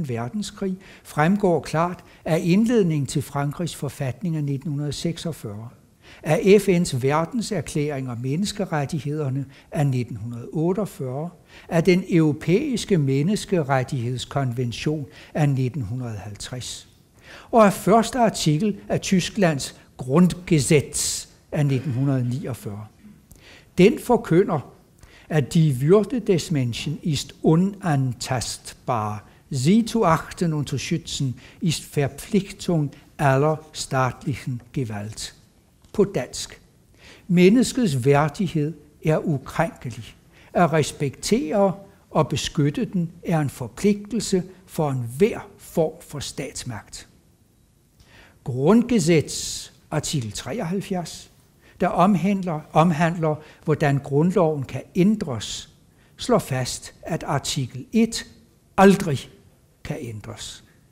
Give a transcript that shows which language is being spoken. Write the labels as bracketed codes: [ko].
[da] verdenskrig fremgår klart af indledningen til Frankrigs forfatning af 1946, af FN's verdenserklæring om menneskerettighederne af 1948, af den europæiske menneskerettighedskonvention af 1950, og af første artikel af Tysklands Grundgesetz af 1949. Den forkynder, at [de] die Würde des Menschen ist unantastbar, sie zu achten und zu schützen ist Verpflichtung aller staatlichen Gewalt. [da] På dansk. Menneskets værdighed er ukrænkelig. At respektere og beskytte den er en forpligtelse for enhver form for statsmagt. Grundgesetz, artikel 73, der omhandler, hvordan grundloven kan ændres, slår fast, at artikel 1 aldrig kan ændres.